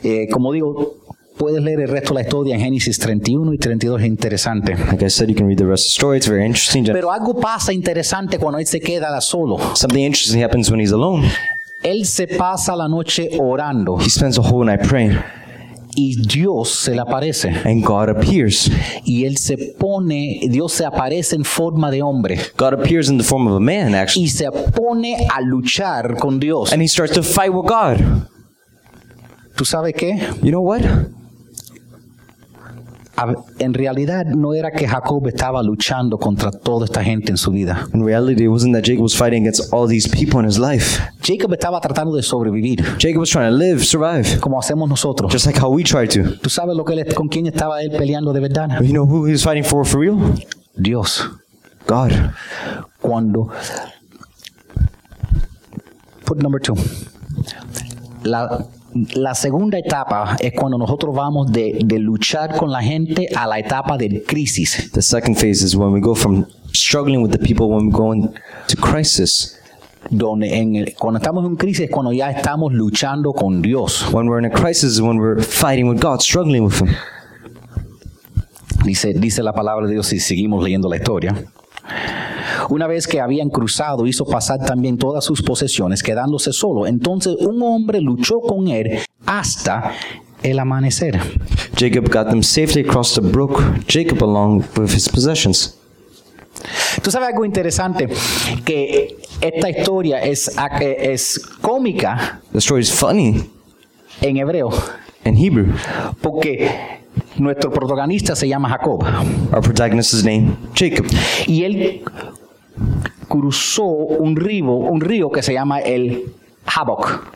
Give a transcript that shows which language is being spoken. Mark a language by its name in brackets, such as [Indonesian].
[Spanish] Como digo, puedes leer el resto de la historia en Génesis 31 y 32, es interesante. [English] Like I said, you can read the rest of the story, it's very interesting. [Spanish] Pero algo pasa interesante cuando él se queda solo. [English] Something interesting happens when he's alone. [Spanish] Él se pasa la noche orando. [English] He spends the whole night praying. [Spanish] Y Dios se le aparece. [English] And God appears. [Spanish] Y él se pone, Dios se aparece en forma de hombre. [English] God appears in the form of a man, actually. [Spanish] Y se pone a luchar con Dios. [English] And he starts to fight with God. [Spanish] ¿Tú sabes qué? [English] You know what? [Spanish] En realidad no era que Jacob estaba luchando contra toda esta gente en su vida. [English] In reality, it wasn't that Jacob was fighting against all these people in his life. [Spanish] Jacob estaba tratando de sobrevivir. [English] Jacob was trying to live, survive. [Spanish] Como hacemos nosotros. [English] Just like how we try to. [Spanish] ¿Tú sabes lo que él, con quién estaba él peleando de verdad? [English] You know who he was fighting for real? [Spanish] Dios. God. Cuando. [English] Put number two. [Spanish] La segunda etapa es cuando nosotros vamos de luchar con la gente a la etapa de crisis. [English] The second phase is when we go from struggling with the people, when we go into crisis. [Spanish] Donde en el, cuando estamos en crisis es cuando ya estamos luchando con Dios. [English] When we're in a crisis is when we're fighting with God, struggling with Him. [Spanish] Dice la palabra de Dios y seguimos leyendo la historia. Una vez que habían cruzado, hizo pasar también todas sus posesiones, quedándose solo. Entonces un hombre luchó con él hasta el amanecer. [English] Jacob got them safely across the brook, Jacob along with his possessions. [Spanish] ¿Tú sabes algo interesante? Que esta historia es cómica. [English] The story is funny. [Spanish] En hebreo. [English] In Hebrew. [Spanish] Porque nuestro protagonista se llama Jacob. [English] Our protagonist's name, Jacob. [Spanish] Y él cruzó un río que se llama el Jabok.